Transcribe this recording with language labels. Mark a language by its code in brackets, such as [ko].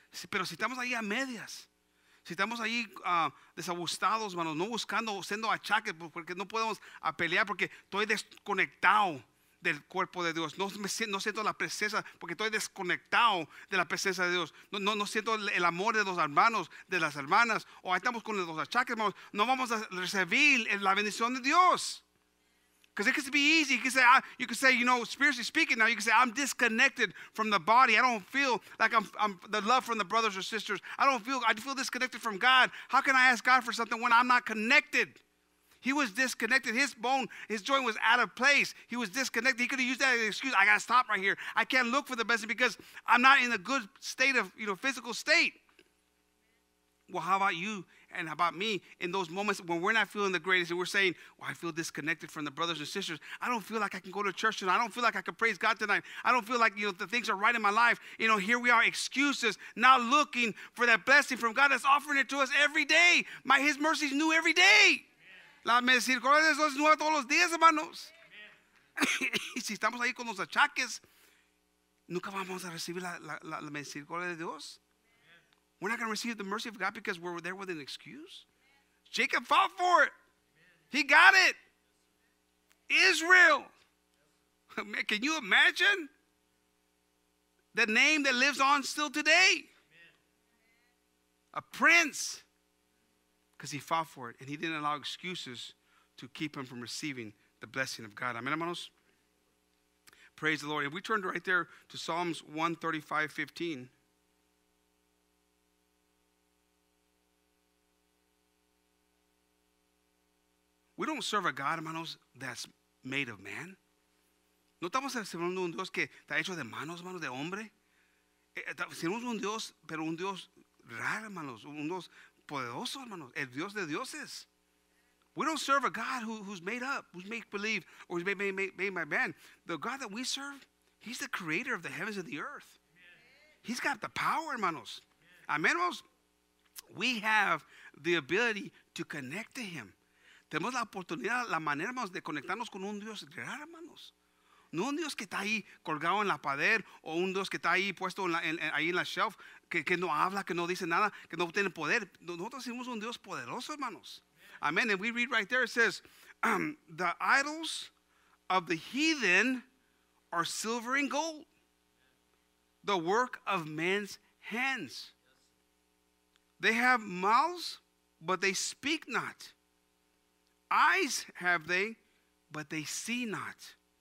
[es] Pero si estamos ahí a medias, si estamos ahí desajustados, hermanos, no buscando, siendo achaques, porque no podemos a pelear, porque estoy desconectado del cuerpo de Dios. No siento la presencia, porque estoy desconectado de la presencia de Dios. No siento el amor de los hermanos, de las hermanas. O ahí estamos con los achaques, hermanos. No vamos a recibir la bendición de Dios. [en] Because it could be easy. You could say, you know, spiritually speaking, now you can say, I'm disconnected from the body. I don't feel like I'm the love from the brothers or sisters. I feel disconnected from God. How can I ask God for something when I'm not connected? He was disconnected. His joint was out of place. He was disconnected. He could have used that as an excuse. I got to stop right here. I can't look for the blessing because I'm not in a good state of, you know, physical state. Well, how about you? And about me, in those moments when we're not feeling the greatest and we're saying, well, I feel disconnected from the brothers and sisters. I don't feel like I can go to church tonight. I don't feel like I can praise God tonight. I don't feel like, you know, the things are right in my life. You know, here we are, excuses, not looking for that blessing from God that's offering it to us every day. His mercy is new every day. [es] La misericordia de Dios es nueva todos los días, hermanos. Y si estamos ahí con los achaques, nunca vamos a recibir la misericordia de Dios. [en] We're not going to receive the mercy of God because we're there with an excuse. Amen. Jacob fought for it. Amen. He got it. Israel. Man, can you imagine the name that lives on still today? Amen. A prince. Because he fought for it. And he didn't allow excuses to keep him from receiving the blessing of God. Amen, hermanos. Praise the Lord. If we turned right there to Psalms 135:15. We don't serve a God, hermanos, that's made of man. [es] No estamos sirviendo un Dios que está hecho de manos, hermanos, de hombre. Sirvemos un Dios, pero un Dios raro, hermanos. Un Dios poderoso, hermanos. El Dios de dioses. [en] We don't serve a God who's made up, who's make believe, or who's made by man. The God that we serve, he's the creator of the heavens and the earth. Amen. He's got the power, hermanos. Amen. Amen, hermanos. We have the ability to connect to him. [es] Tenemos la oportunidad, la manera, hermanos, de conectarnos con un Dios real, hermanos. No un Dios que está ahí colgado en la pared o un Dios que está ahí puesto ahí en la shelf, que no habla, que no dice nada, que no tiene poder. Nosotros somos un Dios poderoso, hermanos. Amen. [en] And we read right there, it says, the idols of the heathen are silver and gold, the work of men's hands. They have mouths, but they speak not. Eyes have they, but they see not.